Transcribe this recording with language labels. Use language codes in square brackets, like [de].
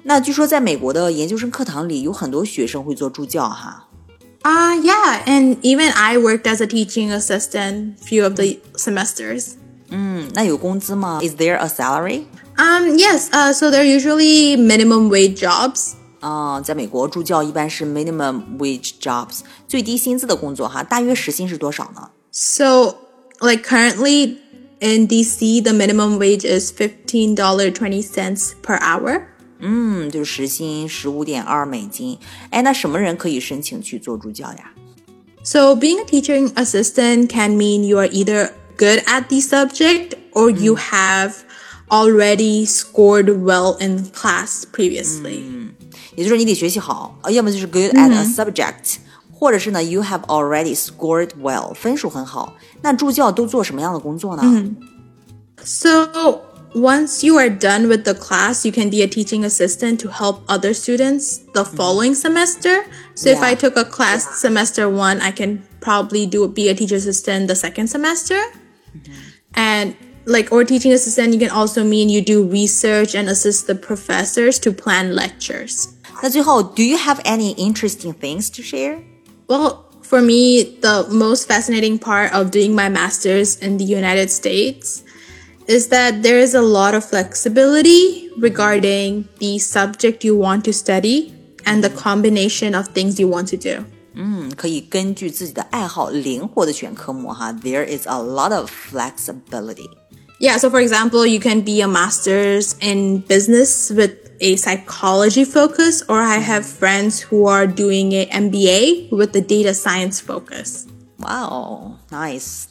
[zh] 那据说在美国的研究生课堂里有很多学生会做助教哈。 [en] Yeah, and even I worked as a teaching assistant few of the semesters. [zh] 那有工资吗？ [en] Is there a salary? Yes, so they're usually minimum wage jobs. [zh] 在美国助教一般是 minimum wage jobs, 最低薪资的工作哈，大约时薪是多少呢？ [en] So, like currently in DC, the minimum wage is $15.20 per hour. [zh] 就是时薪15.2美金。哎，那什么人可以申请去做助教呀？ [en] So, being a teaching assistant can mean you are either good at the subject or you have already scored well in class previously. [zh] 也就是你得学习好，要么就是 [en] good at a subject、mm-hmm. [zh] 或者是呢 [en] you have already scored well, [zh] 分数很好。那助教都做什么样的工作呢、 [en] So once you are done with the class, you can be a teaching assistant to help other students the following semester. So if I took a class semester one, I can probably be a teacher assistant the second semester. And teaching assistant, you can also mean you do research and assist the professors to plan lectures. [zh] 那最后 [en] do you have any interesting things to share? Well, for me, the most fascinating part of doing my master's in the United States is that there is a lot of flexibility regarding the subject you want to study and the combination of things you want to do. [zh] 可以根据自己的爱好灵活的选科目哈。 [en] There is a lot of flexibility. Yeah, so for example, you can be a master's in business with a psychology focus, or I have friends who are doing an MBA with a data science focus. Wow, nice.